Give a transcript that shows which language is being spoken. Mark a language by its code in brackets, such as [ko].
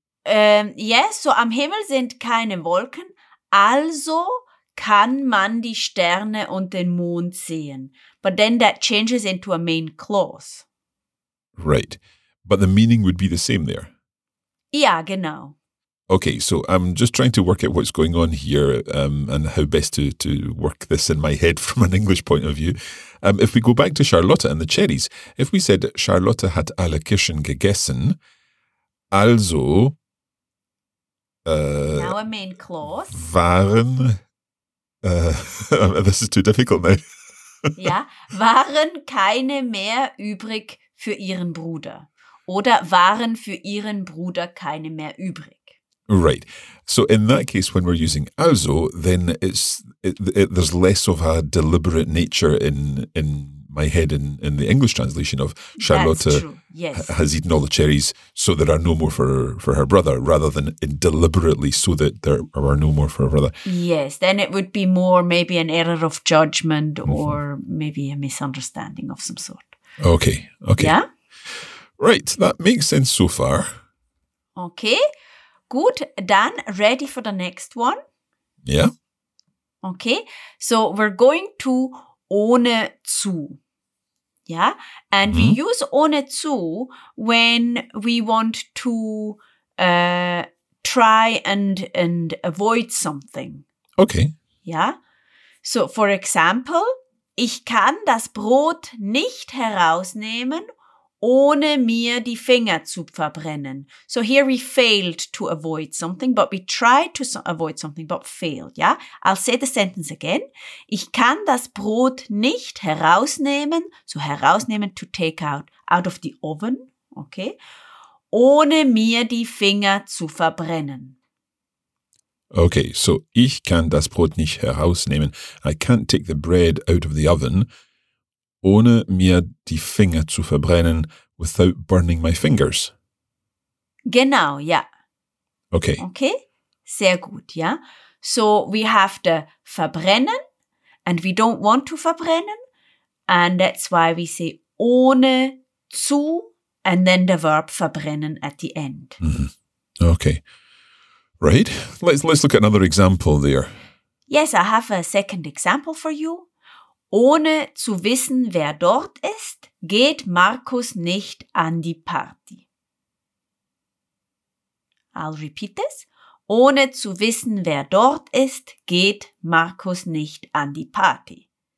[de] Yes, so am Himmel sind keine Wolken, also kann man die Sterne und den Mond sehen. [en] But then that changes into a main clause. Right. But the meaning would be the same there. Yeah, [de] genau. [en] Okay, so I'm just trying to work out what's going on here and how best to work this in my head from an English point of view. If we go back to Charlotte and the cherries, if we said [de] Charlotte hat alle Kirschen gegessen, also... [en] Now a main clause. [de] Waren... [en] this is too difficult now. [de] Yeah, waren keine mehr übrig für ihren Bruder. Oder waren für ihren Bruder keine mehr übrig. [en] Right. So in that case, when we're using also, then there's less of a deliberate nature in my head in the English translation of Charlotte has eaten all the cherries so there are no more for her brother, rather than in deliberately so that there are no more for her brother. Yes, then it would be more maybe an error of judgment or maybe a misunderstanding of some sort. Okay. Yeah? Right, that makes sense so far. Okay, good. [de] Dann, [en] ready for the next one? Yeah. Okay, so we're going to ohne zu. Yeah, and we use ohne zu when we want to try and avoid something. Okay. Yeah, so for example, [de] ich kann das Brot nicht herausnehmen, ohne mir die Finger zu verbrennen. [en] So here we failed to avoid something, but we tried to avoid something, but failed. Yeah? I'll say the sentence again. [de] Ich kann das Brot nicht herausnehmen, so herausnehmen, [en] to take out of the oven, okay, [de] ohne mir die Finger zu verbrennen. [en] Okay, so [de] ich kann das Brot nicht herausnehmen. [en] I can't take the bread out of the oven [de] ohne mir die Finger zu verbrennen, [en] without burning my fingers. [de] Genau, ja. [en] Okay. [de] Okay, sehr gut, ja. [en] So we have to verbrennen and we don't want to verbrennen. And that's why we say ohne zu and then the verb verbrennen at the end. Mm-hmm. Okay. Right. Let's look at another example there. Yes, I have a second example for you. [de] Ohne zu wissen, wer dort ist, geht Markus nicht an die Party. [en] I'll repeat this. [de] Ohne zu wissen, wer dort ist, geht Markus nicht an die Party.